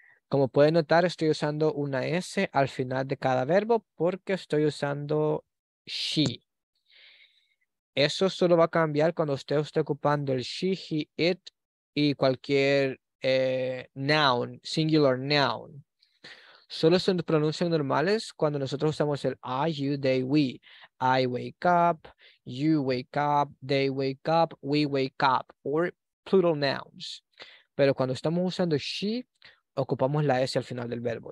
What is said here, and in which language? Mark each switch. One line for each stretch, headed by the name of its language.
Spanish: Como pueden notar, estoy usando una S al final de cada verbo porque estoy usando she. Eso solo va a cambiar cuando usted esté ocupando el she, he, it y cualquier noun, singular noun. Solo se pronuncian normales cuando nosotros usamos el I, you, they, we.
English: I wake up, you wake up, they wake up, we wake up. Or plural nouns.
Spanish: Pero cuando estamos usando she, ocupamos la S al final del verbo.